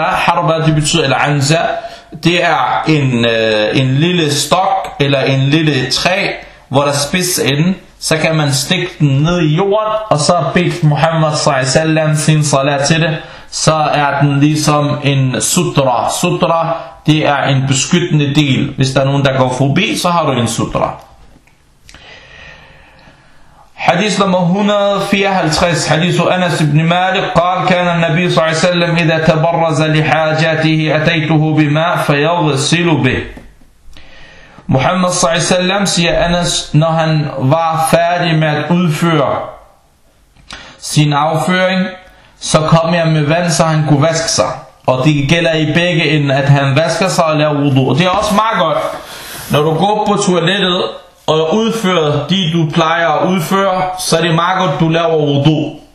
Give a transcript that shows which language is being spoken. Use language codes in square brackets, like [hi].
[da] Harba, det betyder, eller anza. Det er en lille stok eller en lille træ, hvor der spids ind, så kan man stikke den ned i jorden, og så bedt Muhammad s.a.v. sin salat til det, så er den ligesom en sutra. Sutra, det er en beskyttende del. Hvis der er nogen, der går forbi, så har du en sutra. Hadith nummer 154, hadith Anas ibn Malik, [ar] قال كان النبي صلى الله عليه وسلم إذا تبرز لحاجاته أتيته بماء فيغسل به. [da] Muhammad صلى الله عليه وسلم siger Anas, når han var færdig med at udføre sin afføring, så kom jeg med vand, så han kunne vaske sig. Og det gælder i begge enden, at han vasker sig og laver wudu. Og det er også meget godt, når du går på toilettet og udfører de, du plejer at udføre, så er det meget godt, du laver wudu.